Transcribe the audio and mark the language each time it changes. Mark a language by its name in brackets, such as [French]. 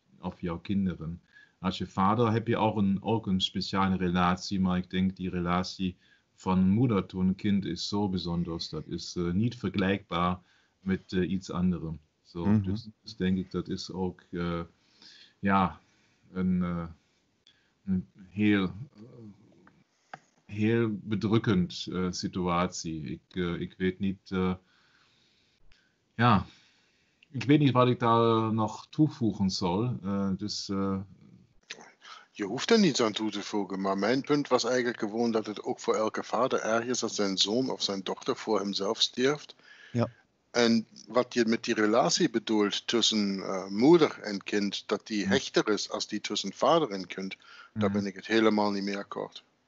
[Dutch] Of jouw kinderen. Als je vader heb je ook een speciale relatie, maar ik denk die relatie van moeder tot een kind is zo bijzonder, dat is niet vergelijkbaar met iets anders. So, mm-hmm. Dus denk ik dat is ook een heel, [German] heel bedrückend Situation. Ich weiß nicht, ja, ich weiß nicht, was ich da noch zufügen soll. Das [Dutch] Je hoeft er niets aan toe te voegen, maar mijn punt was eigenlijk gewoon dat het ook voor elke vader erg is dat zijn zoon of zijn dochter voor hemzelf stierft. Ja. En wat je met die relatie bedoelt tussen moeder en kind, dat die hechter is als die tussen vader en kind, daar ben ik het helemaal niet mee akkoord.